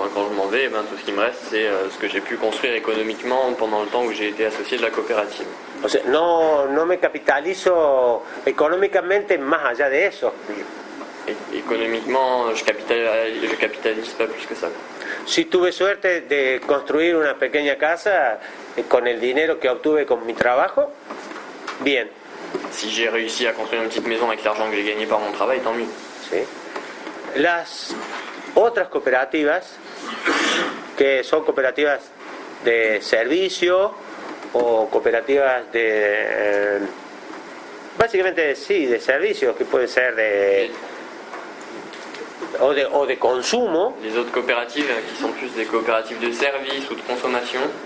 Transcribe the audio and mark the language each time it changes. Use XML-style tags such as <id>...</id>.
<fr>Quand je m'en vais, ben, tout ce qui me reste, c'est ce que j'ai pu construire économiquement pendant le temps où j'ai été associé de la coopérative.</fr> <es>O sea, no me capitalizo económicamente más allá de eso.</es> <fr>Économiquement, je capitalise pas plus que ça.</fr> <es>Si tuve suerte de construir una pequeña casa con el dinero que obtuve con mi trabajo, bien.</es> <fr>Si j'ai réussi à construire une petite maison avec l'argent que j'ai gagné par mon travail, tant mieux.</fr> <es>Sí. Las otras cooperativas, que son cooperativas de servicio o cooperativas de básicamente sí, de servicio, que puede ser de o de consumo.</es> <fr>Les autres coopératives qui sont plus des coopératives de service ou de consommation.</fr>